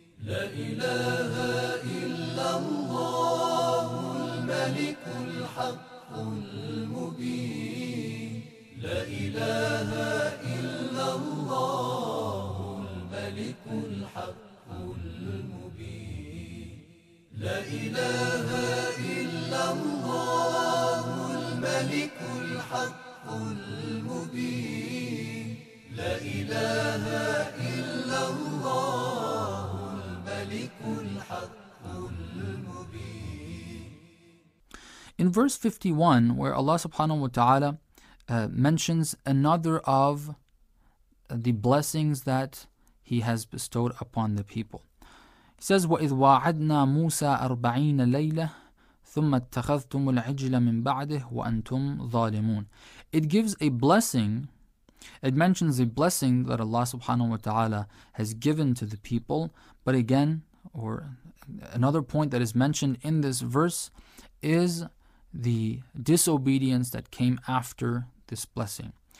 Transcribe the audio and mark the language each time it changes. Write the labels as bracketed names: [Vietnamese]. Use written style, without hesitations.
[Arabic] La ilaha illallah, al-malik al-haq al-mubin. La ilaha illallah, الملك الحق المبين. لا إله إلا الله الملك الحق المبين. لا إله إلا الله الملك الحق المبين. [English] In verse 51, where Allah subhanahu wa ta'ala mentions another of the blessings that He has bestowed upon the people. He says, [Arabic] وَإِذْ وَاعَدْنَا مُوسَىٰ أَرْبَعِينَ لَيْلَةً ثُمَّ اتَّخَذْتُمُ الْعِجْلَ مِنْ بَعْدِهِ وَأَنْتُمْ ظَالِمُونَ. [English] It gives a blessing. It mentions a blessing that Allah subhanahu wa ta'ala has given to the people. But again, or another point that is mentioned in this verse is the disobedience that came after this blessing.